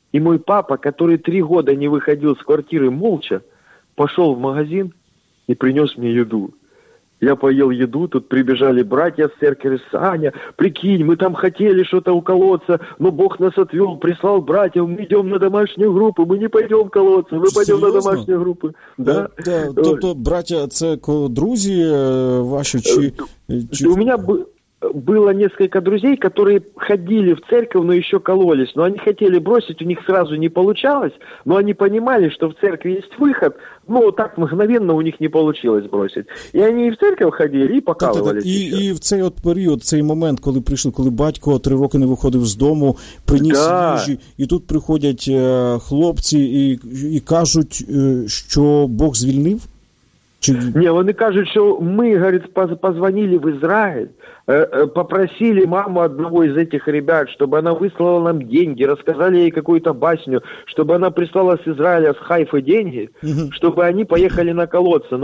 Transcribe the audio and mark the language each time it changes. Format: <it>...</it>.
<ru>И мой папа, который 3 года не выходил с квартиры молча, пошел в магазин и принес мне еду. Я поел еду, тут прибежали братья с церкви: «Саня, прикинь, мы там хотели что-то уколоться, но Бог нас отвел, прислал братьев, мы идем на домашнюю группу, мы не пойдем колоться, мы пойдем на домашнюю группу». Да, да.</ru> <uk>Тобто, братья, це друзі ваші чи...</uk> <ru>У меня было несколько друзей, которые ходили в церковь, но еще кололись. Но они хотели бросить, у них сразу не получалось. Но они понимали, что в церкви есть выход. Но так мгновенно у них не получилось бросить. И они и в церковь ходили, и покалывались.</ru> <uk>И в цей от період, цей момент, коли прийшли, коли батько 3 роки не виходив з дому, приніс їжі, і тут приходять хлопці і кажуть, що Бог звільнив. Не, вони кажуть, що ми, говорить, позвонили в Ізраїль, попросили</uk> <ru>маму одного из этих ребят, чтобы она выслала нам деньги, рассказали ей какую-то басню, чтобы она прислала с Израиля, с Хайфы деньги, чтобы они поехали на колодце.</ru>